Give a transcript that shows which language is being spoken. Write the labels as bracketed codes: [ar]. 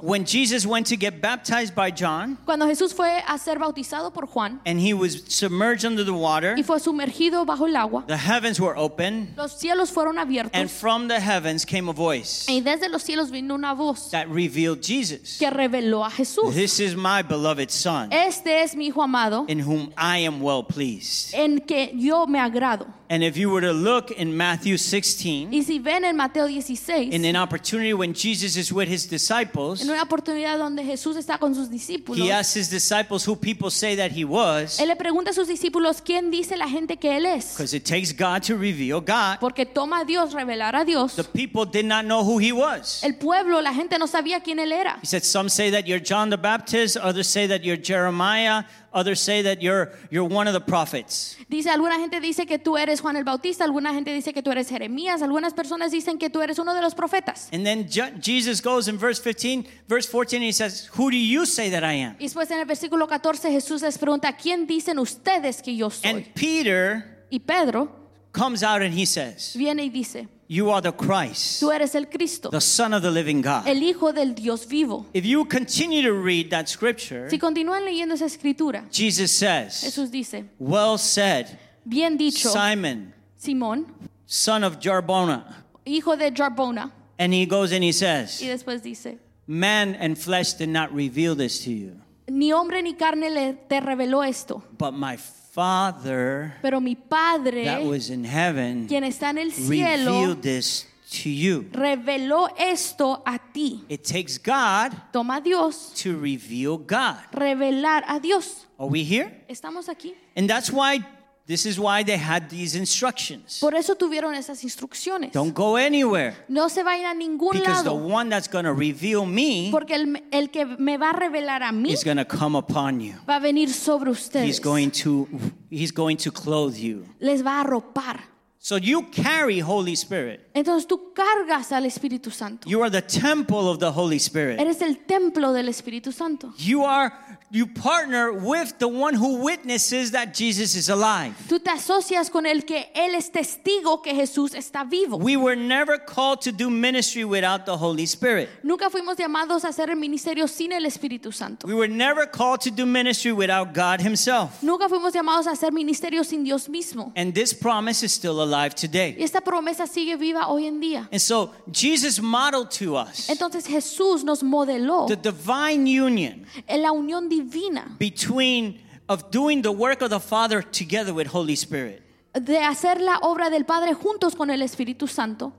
[en] When Jesus went to get baptized by John, [es] cuando Jesús fue a ser bautizado por Juan, [en] and he was submerged under the water, [es] y fue sumergido bajo el agua, [en] the heavens were open, [es] los cielos fueron abiertos, [en] and from the heavens came a voice, [es] y desde los cielos vino una voz, [en] that revealed Jesus, [es] que reveló a Jesús. [en] This is my beloved son, [es] este es mi hijo amado, [en] in whom I am well pleased. [es] En que yo me agrado. [en] And if you were to look in Matthew 16, [es] y si ven en Mateo 16, [en] in an opportunity when Jesus is with his disciples, [es] en una oportunidad donde Jesús está con sus discípulos, [en] he asks his disciples who people say that he was. [es] Él le pregunta a sus discípulos quién dice la gente que él es. [en] Because it takes God to reveal God. [es] Porque toma a Dios revelar a Dios. [en] The people did not know who he was. [es] El pueblo, la gente no sabía quién él era. [en] He said, "Some say that you're John the Baptist. Others say that you're Jeremiah. Others say that you're one of the prophets." [es] Dice alguna gente dice que tú eres Juan el Bautista, alguna gente dice que tú eres Jeremías, algunas personas dicen que tú eres uno de los profetas. [en] And then Jesus goes in verse 14 and he says, "Who do you say that I am?" [es] Y después en el versículo 14 Jesús les pregunta, "¿Quién dicen ustedes que yo soy?" [en] And Peter [es] y Pedro [en] comes out and he says, [es] viene y dice, [en] "You are the Christ, [es] tú eres el Cristo, [en] the Son of the living God, [es] el Hijo del Dios vivo." [en] If you continue to read that scripture, [es] si continúan leyendo esa escritura, [en] Jesus says, [es] Jesús dice, [en] "Well said, [es] bien dicho, [en] Simon, [es] Simón, [en] son of Jarbona, [es] hijo de Jarbona." [en] And he goes and he says, [es] y después dice, [en] "Man and flesh did not reveal this to you, [es] ni hombre ni carne te reveló esto, [en] but my Father, [es] pero mi padre, [en] that was in heaven, [es] quien está en el cielo, [en] revealed this to you." [es] Reveló esto a ti. [en] It takes God, [es] toma a Dios, [en] to reveal God. [es] Revelar a Dios. [en] Are we here? [es] Estamos aquí. [en] And that's why, this is why they had these instructions. [es] Por eso tuvieron esas instrucciones. [en] Don't go anywhere. [es] No se vayan a ningún [en] because Because the one that's going to reveal me, [es] porque el que me va a revelar a mí, [en] is going to come upon you. [es] Va a venir sobre ustedes. [en] He's going to clothe you. [es] Les va a arropar. [en] So you carry Holy Spirit. [es] Entonces tú cargas al Espíritu Santo. [en] You are the temple of the Holy Spirit. [es] Eres el templo del Espíritu Santo. [en] You partner with the one who witnesses that Jesus is alive. [es] Tú te asocias con el que él es testigo que Jesús está vivo. [en] We were never called to do ministry without the Holy Spirit. [es] Nunca fuimos llamados a hacer el ministerio sin el Espíritu Santo. [en] We were never called to do ministry without God himself. [es] Nunca fuimos llamados a hacer ministerio sin Dios mismo. [en] And this promise is still alive today. [es] Y esta promesa sigue viva hoy en día. [en] And so Jesus modeled to us. [es] Entonces Jesús nos modeló. [en] The divine union. [es] La unión divina. [en] Between of doing the work of the Father together with Holy Spirit. [es] De hacer la obra del Padre juntos con el Espíritu Santo.